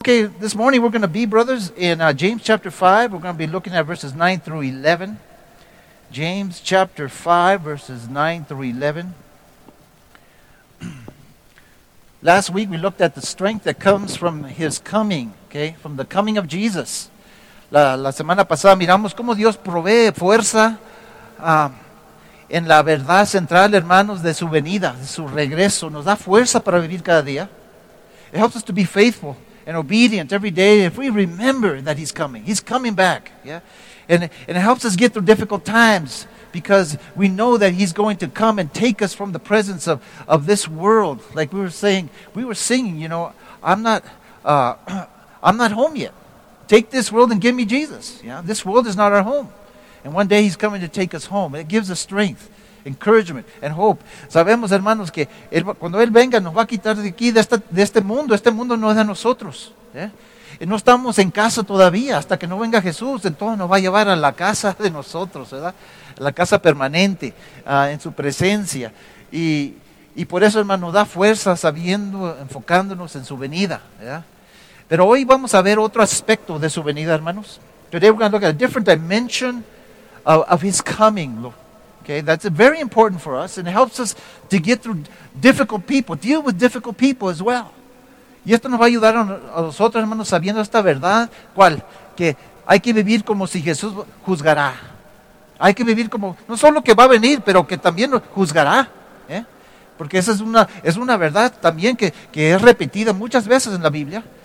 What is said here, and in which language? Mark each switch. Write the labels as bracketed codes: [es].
[en] Okay, this morning we're going to be, brothers, in James chapter 5. We're going to be looking at verses 9 through 11. James chapter 5, verses 9 through 11. Last week we looked at the strength that comes from His coming, okay, from the coming of Jesus. [es] La semana pasada miramos cómo Dios provee fuerza en la verdad central, hermanos, de su venida, de su regreso. Nos da fuerza para vivir cada día. [en] It helps us to be faithful and obedient every day if we remember that He's coming. He's coming back, yeah? And it helps us get through difficult times because we know that He's going to come and take us from the presence of this world. Like we were saying, we were singing, you know, I'm not home yet. Take this world and give me Jesus. Yeah, this world is not our home. And one day He's coming to take us home. It gives us strength, encouragement, and hope. [es] Sabemos, hermanos, que cuando Él venga, nos va a quitar de aquí, de este mundo. Este mundo no es de nosotros. No estamos en casa todavía. Hasta que no venga Jesús, entonces nos va a llevar a la casa de nosotros, ¿verdad? La casa permanente, en su presencia. Y por eso, hermano, da fuerza sabiendo, enfocándonos en su venida, ¿verdad? Pero hoy vamos a ver otro aspecto de su venida, hermanos. [en] Today we're going to look at a different dimension of His coming. Okay, that's very important for us, and it helps us to get through difficult people, deal with difficult people as well. [es] Y esto nos va a ayudar a nosotros, hermanos, sabiendo esta verdad, ¿cuál? Que hay que vivir como si Jesús juzgará. Hay que vivir como, no solo que va a venir, pero que también juzgará. Porque esa es una verdad también que es repetida muchas veces en la Biblia.